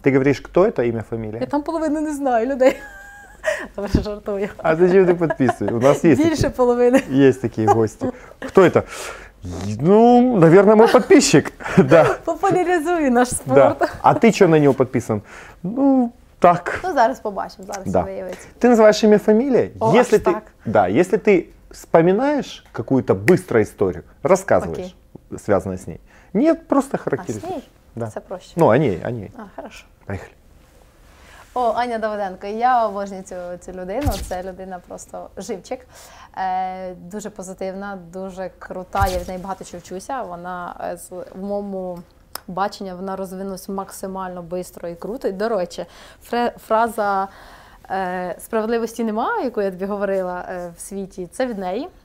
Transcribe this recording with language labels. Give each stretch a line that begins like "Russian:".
Russian: Ты говоришь, кто это, имя, фамилия? Я там половину не знаю людей. Тоже жартую. А зачем ты подписываешь? У нас есть больше половины. Есть такие гости. Кто это? Ну, наверное, мой подписчик. Да. Популяризуй наш спорт. Да. А ты что на него подписан? Ну... Так.
Ukrainian: Ну, зараз побачимо, зараз да. Виявиться. Ти називаєш ім'я, фамілія?
Russian: О, если ты, так. Да, если ты вспоминаешь какую-то быструю историю, рассказываешь, окей, связанную с ней. Нет, просто характеризуешь. А с ней? Да.
Ukrainian: Це проще.
Russian: Ну, о ней, о ней. А, хорошо. Поехали.
Ukrainian: О, Аня Давиденко, я обожнюю цю людину, це людина просто живчик, дуже позитивна, дуже крута, я в неї багато чого вчуся, вона в моєму... бачення, вона розвинулась максимально швидко і круто. І, до речі, фраза «справедливості немає», яку я тобі говорила в світі, це від неї.